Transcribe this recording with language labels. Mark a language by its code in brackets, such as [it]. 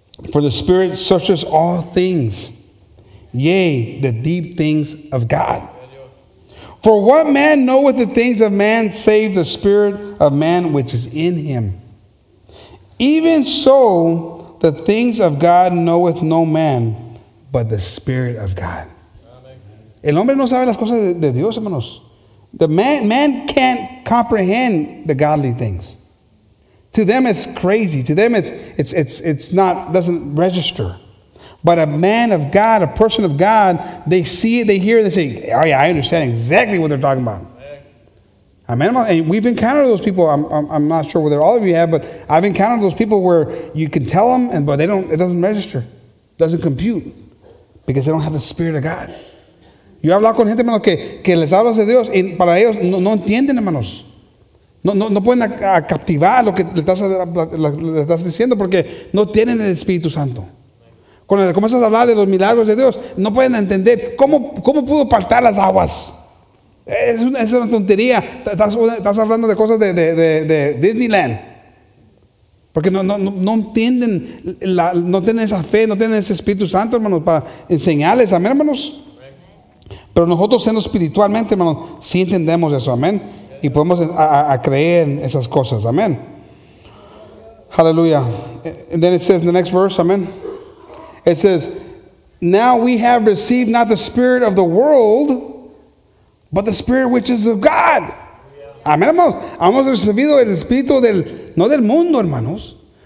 [en] For the Spirit searches all things, yea, the deep things of God. For what man knoweth the things of man save the spirit of man which is in him? Even so, the things of God knoweth no man but the Spirit of God. Amen. [es] El hombre no sabe las cosas de Dios, hermanos. [en] The man can't comprehend the godly things. To them it's crazy. To them it's not, doesn't register. But a man of God, a person of God, they see it, they hear it, they say, oh yeah, I understand exactly what they're talking about. Amen. And we've encountered those people. I'm not sure whether all of you have, but I've encountered those people where you can tell them, but they don't. It doesn't register. It doesn't compute. Because they don't have the Spirit of God. [es] Yo he hablado con gente, hermanos, que les hablo de Dios, y para ellos no entienden, hermanos. No pueden captivar lo que le estás diciendo, porque no tienen el Espíritu Santo. Cuando comienzas a hablar de los milagros de Dios, no pueden entender cómo pudo partar las aguas. Es una tontería. Estás hablando de cosas de Disneyland. Porque no entienden, no tienen esa fe, no tienen ese Espíritu Santo, hermanos, para enseñarles. Amén, hermanos. Pero nosotros, siendo espiritualmente, hermanos, sí entendemos eso. Amén. Y podemos a creer en esas cosas. Amén. Aleluya. [en] And then it says in the next verse, amén. It says, now we have received not the spirit of the world, But the Spirit which is of God. [es] Amén, hermanos. Hemos recibido el Espíritu del, no del mundo, hermanos.